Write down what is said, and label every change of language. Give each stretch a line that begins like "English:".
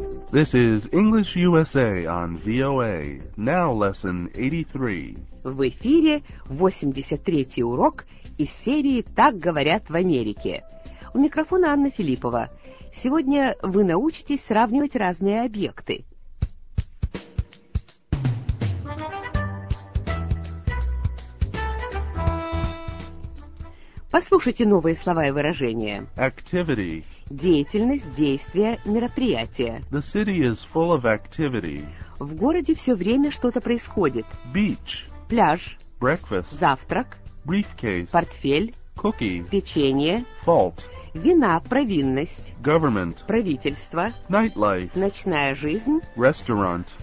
English: This is English USA on VOA. Now lesson 83.
Russian: В эфире 83-й урок из серии «Так говорят в Америке». У микрофона Анна Филиппова. Сегодня вы научитесь сравнивать разные объекты. Послушайте новые слова и выражения.
English: Activity.
Russian: Деятельность, действие, мероприятие.
English: The city is full of activity.
Russian: В городе все время что-то происходит.
English: Beach.
Russian: Пляж.
English: Breakfast.
Russian: Завтрак.
English: Briefcase.
Russian: Портфель.
English: Cookie.
Russian: Печенье.
English: Fault.
Russian: Вина, провинность.
English: Government.
Russian: Правительство.
English: Nightlife.
Russian: Ночная жизнь.
English: Restaurant.